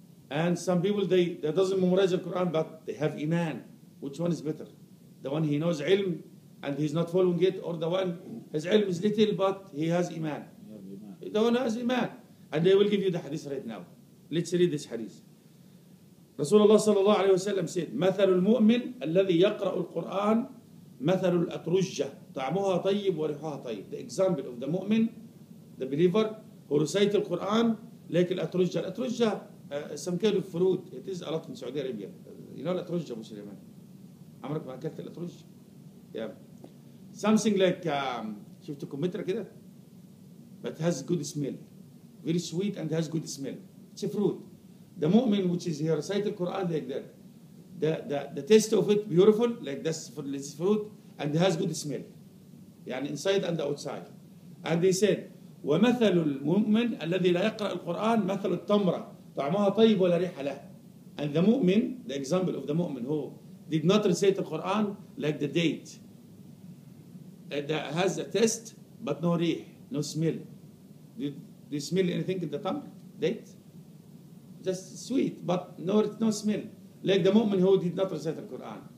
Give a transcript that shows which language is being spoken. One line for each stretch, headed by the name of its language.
English: And some people, they doesn't memorize the Quran, but they have iman. Which one is better? The one he knows ilm and he's not following it, or the one his ilm is little but he has iman. The one has iman. And I will give you the hadith right now. Let's read this hadith. Rasulullah sallallahu alayhi wa sallam said,
Arabic: مثل المؤمن الذي يقرأ القرآن مثل الأترجة طعمها طيب وريحها طيب.
English: The example of the mu'min, the believer who recites the Quran like الأترجة. الأترجة some kind of fruit. It is a lot in Saudi Arabia. You know
Arabic: الأترجة مسلمان. عمرك ما أكلت الأترج؟
English: yeah. Something like
Arabic: شفتكم متر كده
English: but has good smell, very sweet and has good smell. It's a fruit. The mu'min which is here recite the Quran like that, the taste of it beautiful like this for this fruit and has good smell
Arabic: يعني
English: inside and outside. And they said
Arabic: ومثل المؤمن الذي لا يقرأ القرآن مثل التمرة طعمها طيب ولا ريح له.
English: And the mu'min, the example of the mu'min who did not recite the Quran like the date. That has a taste, but no reek, no smell. Do you smell anything in the tongue? Date? Just sweet, but no smell. Like the mu'min who did not recite the Quran.